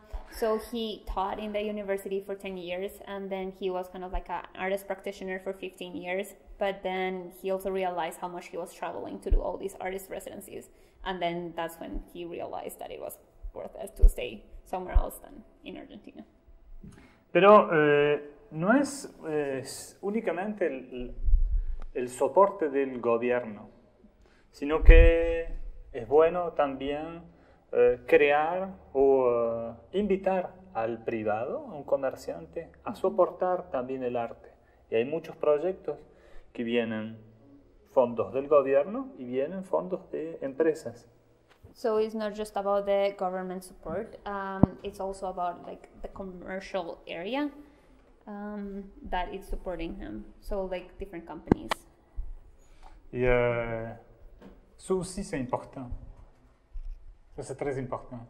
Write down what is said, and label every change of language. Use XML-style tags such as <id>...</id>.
<en>So he taught in the university for 10 years, and then he was kind of like an artist practitioner for 15 years, but then he also realized how much he was traveling to do all these artist residencies, and then that's when he realized that it was worth it to stay somewhere else than in Argentina.</en> <es>Pero no es, es únicamente el soporte del gobierno, sino que es bueno también crear o invitar al privado, a un comerciante, a soportar también el arte. Y hay muchos proyectos que vienen fondos del gobierno y vienen fondos de empresas.</es> <en>So it's not just about the government support, it's also about like the commercial area that is supporting him. So like different companies.</en> <fr>Yeah, ça aussi c'est important. Ça c'est très important.</fr>